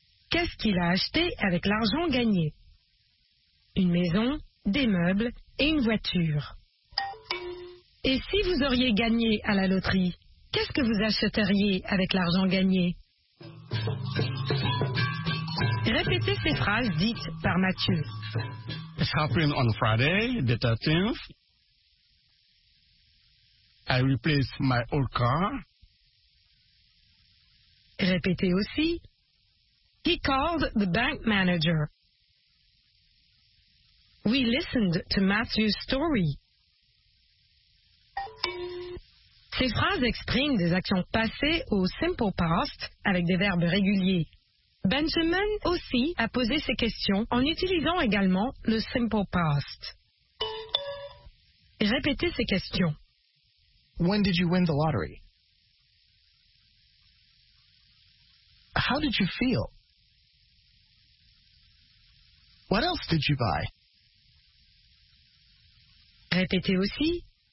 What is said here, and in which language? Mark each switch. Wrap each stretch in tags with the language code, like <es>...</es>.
<fr>Qu'est-ce qu'il a acheté avec l'argent gagné? Une maison, des meubles et une voiture. Et si vous auriez gagné à la loterie, qu'est-ce que vous achèteriez avec l'argent gagné? Répétez ces phrases dites par Mathieu.</fr> <en>It's happening on Friday, the 13th. I replace my old car.</en> <fr>Répétez aussi.</fr> <en>He called the bank manager. We listened to Matthew's story.</en> <fr>Ces phrases expriment des actions passées au simple past avec des verbes réguliers. Benjamin aussi a posé ses questions en utilisant également le simple past. Répétez ces questions.</fr> <en>When did you win the lottery? How did you feel? What else did you buy?</en> <fr>Répétez aussi.</fr>